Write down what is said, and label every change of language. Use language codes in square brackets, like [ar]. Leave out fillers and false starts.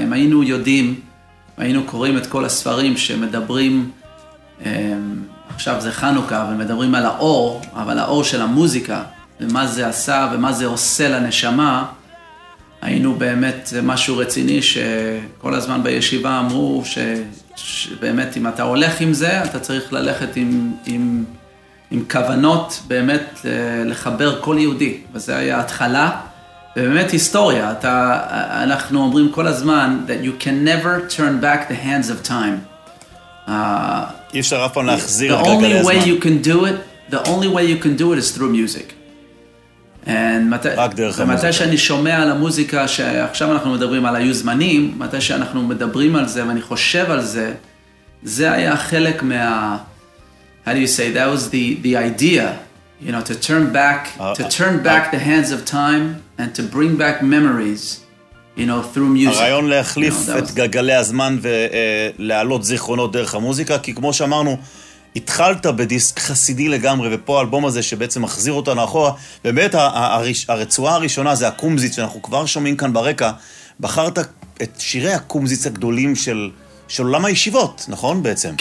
[he] אם היינו יודעים, היינו קוראים את כל הספרים שמדברים, עכשיו זה חנוכה, ומדברים על האור, אבל האור של המוזיקה, ומה זה עשה, ומה זה עושה לנשמה, היינו באמת משהו רציני, שכל הזמן בישיבה אמרו ש... שבאמת אם אתה הולך עם זה, אתה צריך ללכת עם כוונות באמת לחבר כל יהודי. וזה היה התחלה, ובאמת היסטוריה. אנחנו אומרים כל הזמן [en] that you can never turn back the hands of time. [he] אי אפשר אף פעם להחזיר את גלגלי הזמן. [en] The only way you can do it the only way you can do it is through music. [he] And מתי שאני שומע על המוזיקה שעכשיו אנחנו מדברים על היו זמנים, מתי שאנחנו מדברים על זה ואני חושב על זה, זה היה חלק מה... [en] How do you say? That was the idea, you know, to turn back the hands of time and to bring back memories, you know, through music. [he] הרעיון להחליף את גלגלי הזמן ולהעלות זיכרונות דרך המוזיקה, כי כמו שאמרנו, התחלת בדיסק חסידי לגמרי, ופה האלבום הזה שבעצם מחזיר אותנו אחורה, באמת הרצועה הראשונה זה הקומזיץ, שאנחנו כבר שומעים כאן ברקע, בחרת את שירי הקומזיץ הגדולים של, של עולם הישיבות, נכון בעצם?